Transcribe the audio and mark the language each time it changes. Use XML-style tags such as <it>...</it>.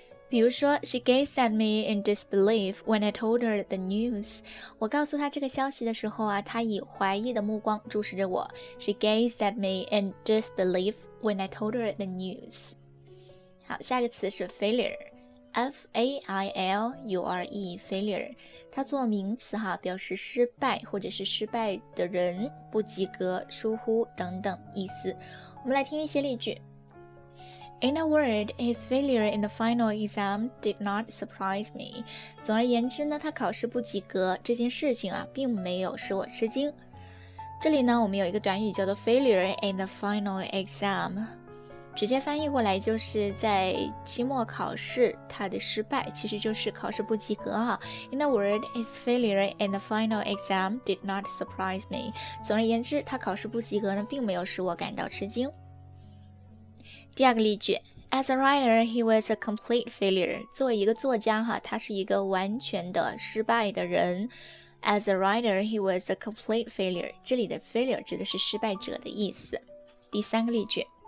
<zh>比如说</zh> <en>She gazed at me in disbelief when I told her the news.</en> <zh>我告诉她这个消息的时候啊，她以怀疑的目光注视着我。</zh> <en>She gazed at me in disbelief when I told her the news.</en> <zh>好，下一个词是 failure,F-A-I-L-U-R-E, failure, 它做名词哈，表示失败或者是失败的人，不及格、疏忽等等意思。我们来听一些例句。</zh> <en>In a word, his failure in the final exam did not surprise me.</en> <zh>总而言之呢，他考试不及格这件事情啊，并没有使我吃惊。这里呢，我们有一个短语叫做</zh> <en>failure in the final exam.</en> <zh>直接翻译过来就是在期末考试他的失败，其实就是考试不及格啊。</zh> <en>In a word, his failure in the final exam did not surprise me.</en> <zh>总而言之，他考试不及格呢，并没有使我感到吃惊。第二个例句</zh> <en>，As a writer, he was a complete failure.</en> <zh>作为一个作家哈，他是一个完全的失败的人。</zh> <en>As a writer, he was a complete failure.</en> <zh>这里的 failure 指的是失败者的意思。第三个例句。</zh>